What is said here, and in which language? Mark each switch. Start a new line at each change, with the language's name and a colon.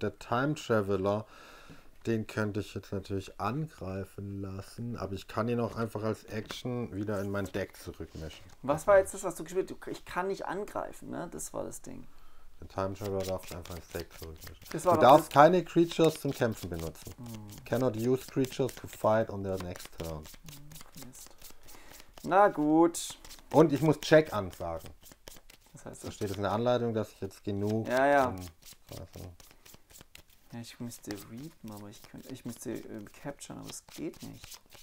German: Der Time Traveler, den könnte ich jetzt natürlich angreifen lassen, aber ich kann ihn auch einfach als Action wieder in mein Deck zurückmischen. Was war jetzt das, was du gespielt hast? Ich kann nicht angreifen, ne? Das war das Ding. Der Time Traveler darf einfach ins Deck zurückmischen. Du darfst keine Creatures zum Kämpfen benutzen. Hm.
English: Cannot use creatures to fight on their next turn.
German: Na gut. Und ich muss Check ansagen. das heißt. Da steht es in der Anleitung, dass ich jetzt genug. Ja, ja. Also. Ja, ich müsste readen, aber ich müsste capturen, aber es geht nicht.